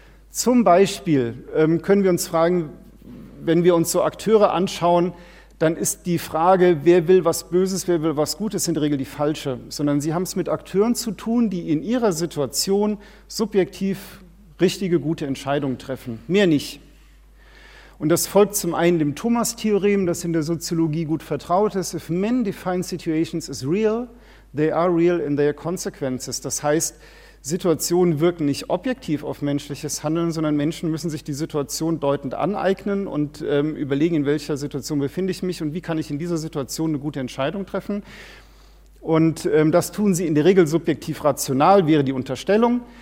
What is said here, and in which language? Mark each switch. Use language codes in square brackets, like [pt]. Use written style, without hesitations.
[de] Zum Beispiel können wir uns fragen, wenn wir uns so Akteure anschauen, dann ist die Frage, wer will was Böses, wer will was Gutes, in der Regel die falsche. Sondern Sie haben es mit Akteuren zu tun, die in ihrer Situation subjektiv richtige, gute Entscheidungen treffen. Mehr nicht. Und das folgt zum einen dem Thomas-Theorem, das in der Soziologie gut vertraut ist. [en] If men define situations as real, they are real in their consequences. [de] Das heißt, Situationen wirken nicht objektiv auf menschliches Handeln, sondern Menschen müssen sich die Situation deutend aneignen und überlegen, in welcher Situation befinde ich mich und wie kann ich in dieser Situation eine gute Entscheidung treffen. Und das tun sie in der Regel subjektiv rational, wäre die Unterstellung.